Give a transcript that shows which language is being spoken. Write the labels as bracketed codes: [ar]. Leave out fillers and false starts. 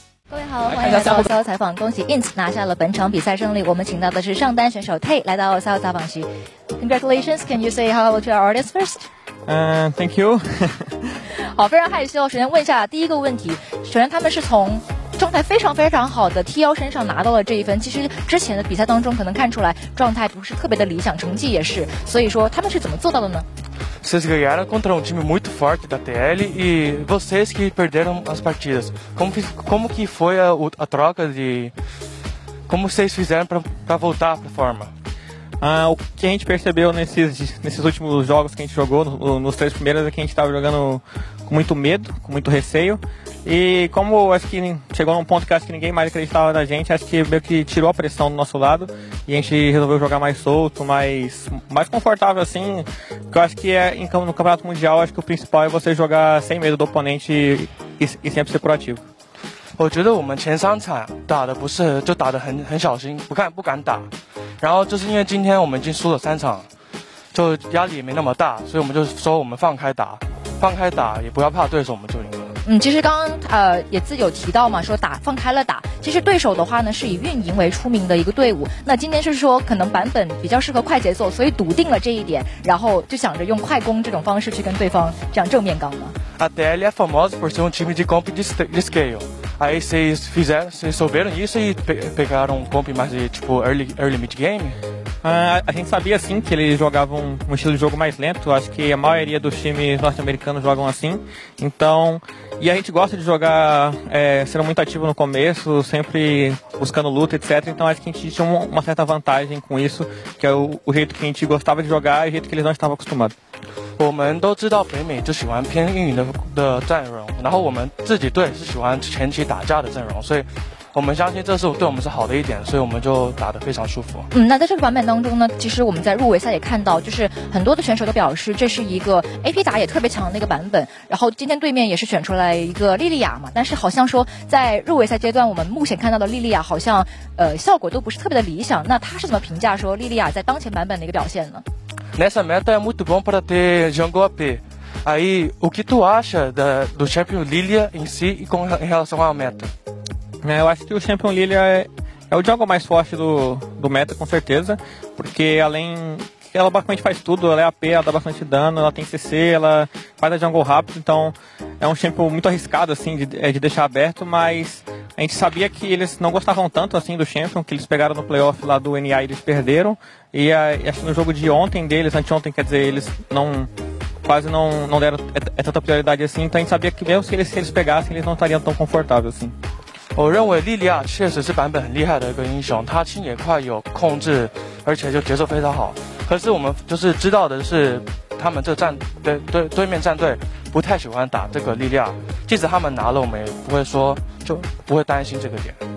[zh] OCL 采访，恭喜 INT 拿下了本场比赛胜利。我们请到的是上单选手 Tay 来到 OCL 采访席。 [en] Congratulations, can you say hello to our audience first? Thank you. [zh] 好，非常害羞。首先问一下第一个问题，首先他们是从状态非常非常好的 TL 身上拿到了这一分。其实之前的比赛当中可能看出来状态不是特别的理想，成绩也是。所以说他们是怎么做到的呢？ [pt] Vocês ganharam contra um time muito forte da TL e vocês que perderam as partidas. Como que foi a troca de... Como vocês fizeram para voltar para a forma? O que a gente percebeu nesses últimos jogos que a gente jogou, nos três primeiros, é que a gente estava jogando com muito medo, com muito receio. E como acho que chegou num ponto que acho que ninguém mais acreditava na gente, acho que meio que tirou a pressão do nosso lado e a gente resolveu jogar mais solto, mais confortável assim. Porque eu acho que no Campeonato Mundial, acho que o principal é você jogar sem medo do oponente e sempre ser proativo. [zh] 我觉得我们前三场打的不是就打得很小心，不敢打，然后就是因为今天我们已经输了三场，就压力也没那么大，所以我们就说我们放开打，也不要怕对手，我们就赢了。嗯，其实刚刚也自己有提到嘛，说打放开了打。其实对手的话呢，是以运营为出名的一个队伍。那今天是说可能版本比较适合快节奏，所以笃定了这一点，然后就想着用快攻这种方式去跟对方这样正面刚吗？ [pt] A TL é famosa por ser um time de comp de scale. Aí vocês fizeram, vocês souberam isso e pegaram um comp mais de tipo early mid game? A gente sabia sim que eles jogavam um estilo de jogo mais lento, acho que a maioria dos times norte-americanos jogam assim. Então, e a gente gosta de jogar, sendo muito ativo no começo, sempre buscando luta, etc. Então acho que a gente tinha uma certa vantagem com isso, que é o jeito que a gente gostava de jogar e o jeito que eles não estavam acostumados. [zh] 我们都知道北美就喜欢偏运营 的阵容，然后我们自己队是喜欢前期打架的阵容，所以我们相信这是对我们是好的一点，所以我们就打得非常舒服。嗯，那在这个版本当中呢，其实我们在入围赛也看到，就是很多的选手都表示这是一个 AP 打野特别强的那个版本，然后今天对面也是选出来一个莉莉亚嘛，但是好像说在入围赛阶段我们目前看到的莉莉亚好像效果都不是特别的理想，那他是怎么评价说莉莉亚在当前版本的一个表现呢？ [pt] Nessa meta é muito bom para ter jungle AP. Aí, o que tu acha do Champion Lilia em si e em relação à meta? Eu acho que o Champion Lilia é o jungle mais forte do meta, com certeza. Porque além... Ela basicamente faz tudo. Ela é AP, ela dá bastante dano, ela tem CC, ela faz a jungle rápido. Então, é um champion muito arriscado, assim, de deixar aberto. Mas a gente sabia que eles não gostavam tanto, assim, do champion, que eles pegaram no playoff lá do NA e eles perderam. E acho que no jogo de ontem deles, anteontem, quer dizer, eles quase não deram tanta prioridade assim. Então a gente sabia que mesmo se eles pegassem, eles não estariam tão confortáveis, assim. [zh] 我认为莉莉亚确实是版本很厉害的一个英雄，她清野快有控制，而且就节奏非常好。可是我们就是知道的是，他们这战对面战队不太喜欢打这个莉莉亚，即使他们拿了，我们也不会说就不会担心这个点。